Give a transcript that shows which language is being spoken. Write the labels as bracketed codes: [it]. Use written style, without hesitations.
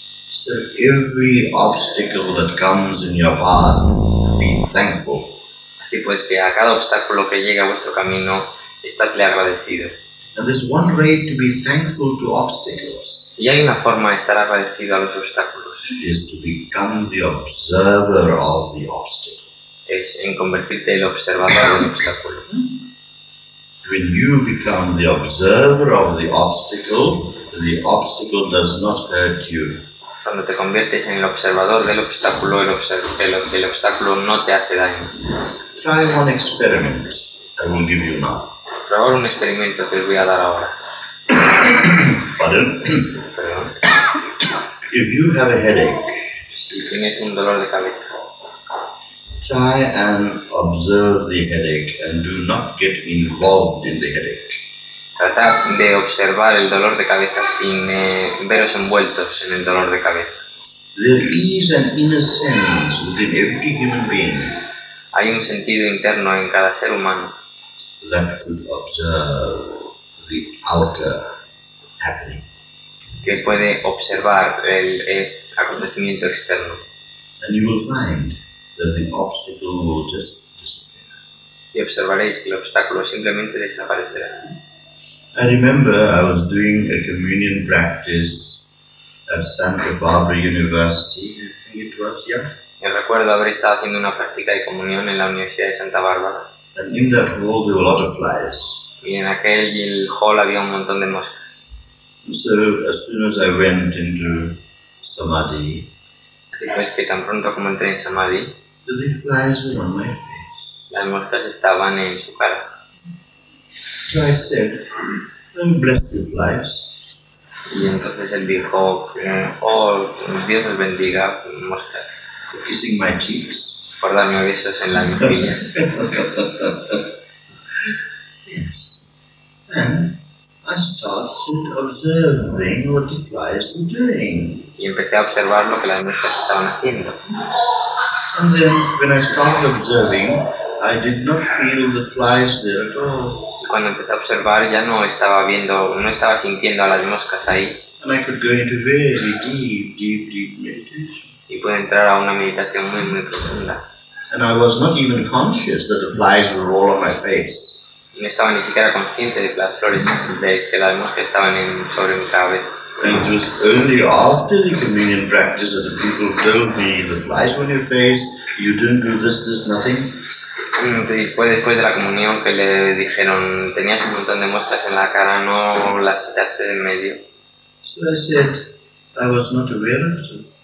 [en] So every obstacle that comes in your path, be thankful. [es] Así pues, que a cada obstáculo que llega a vuestro camino, estadle agradecido. [en] And there's one way to be thankful to obstacles. [es] Y hay una forma de estar agradecido a los obstáculos. [en] Is to become the observer of the obstacle. [es] Es en convertirte el observador del obstáculo. [en] When you become the observer of the obstacle does not hurt you. [es] Cuando te conviertes en el observador del obstáculo, el obstáculo no te hace daño. [en] Try one experiment. I will give you now. [es] Probar un experimento que os voy a dar ahora. [en] Pardon. [es] Perdón. [en] If you have a headache, [es] si tienes un dolor de cabeza, [en] try and observe the headache and do not get involved in the headache. [es] Trata de observar el dolor de cabeza sin veros envueltos en el dolor de cabeza. [en] There is an inner sense within every human being. [es] Hay un sentido interno en cada ser humano [en] that could observe the outer happening. [es] Que puede observar el acontecimiento externo. [en] And you will find that the obstacle will just disappear. [es] Y observaréis que el obstáculo simplemente desaparecerá. [en] I remember I was doing a communion practice at Santa Barbara University. I think it was, yeah. [es] Yo recuerdo haber estado haciendo una práctica de comunión en la Universidad de Santa Bárbara. [en] And in that hall there were a lot of flies. [es] Y en aquel hall había un montón de moscas. [en] So as soon as I went into samadhi, [es] después que tan pronto como entré en samadhi, [en] the flies were on my face. [es] Las moscas estaban en su cara. [en] So I said, "I'm blessed with flies." [es] Y entonces él dijo, "Oh, Dios me bendiga, moscas." [en] For kissing my cheeks. [es] Por darme besos en las mejillas. [en] Yes. And I started observing what the flies were doing. [es] Y empecé a observar lo que las moscas estaban haciendo. [en] Yes. And then, when I started observing, I did not feel the flies there at all. [es] Cuando empecé a observar, ya no estaba viendo, no estaba sintiendo a las moscas ahí. [en] And I could go into very deep, deep, deep meditation. [es] Y pude entrar a una meditación muy, muy profunda. [en] And I was not even conscious that the flies were all on my face. [es] No estaba ni siquiera consciente de que las flores, de que las moscas estaban en, sobre mi cabeza. [en] And it was only after the communion practice that the people told me the flies were on your face, you didn't do this, this, nothing. [es] Y fue después de la comunión que le dijeron, tenías un montón de muestras en la cara, no las quitaste de en medio. [en] So I said, I was not aware of them.